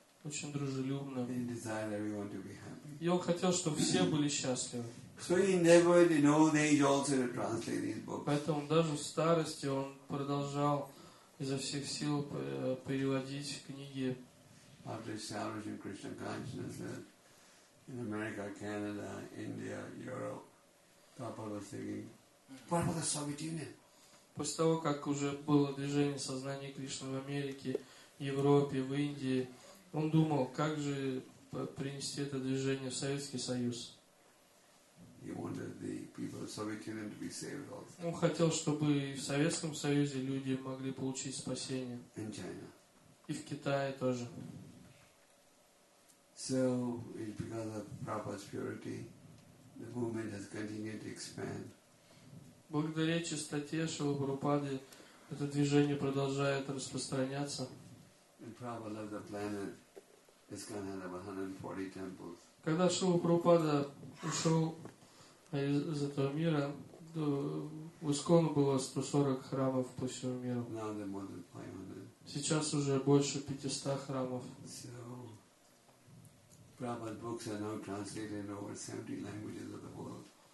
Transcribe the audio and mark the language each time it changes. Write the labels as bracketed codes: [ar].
[ru] Очень дружелюбным. [en] He desired everyone to be happy. [ru] И он хотел, чтобы все были счастливы. [en] So he never in old age also to translate these books. [ru] Поэтому даже в старости он продолжал изо всех сил переводить книги. [en] After establishing Krishna consciousness. In America, Canada, India, Europe, Prabhupada was thinking, what about the Soviet Union? [ru] После того, как уже было движение сознания Кришны в Америке, Европе, в Индии, он думал, как же принести это движение в Советский Союз. [en] He wanted the people of the Soviet Union to be saved also. [ru] Он хотел, чтобы и в Советском Союзе люди могли получить спасение. [en] In China. [ru] И в Китае тоже. [en] So, because of Prabhupada's purity, the movement has continued to expand. [ru] Благодаря чистоте Шрилы Прабхупады это движение продолжает распространяться. [en] And Prabhupada left the planet, ISKCON had about 140 temples. [ru] Когда Шрила Прабхупада ушел из этого мира, в ISKCON было 140 храмов по всему миру. [en] Now there are more than 500. [ru] Сейчас уже больше 500 храмов. [en] Prabhupada's books are now translated in over 70 languages of the world.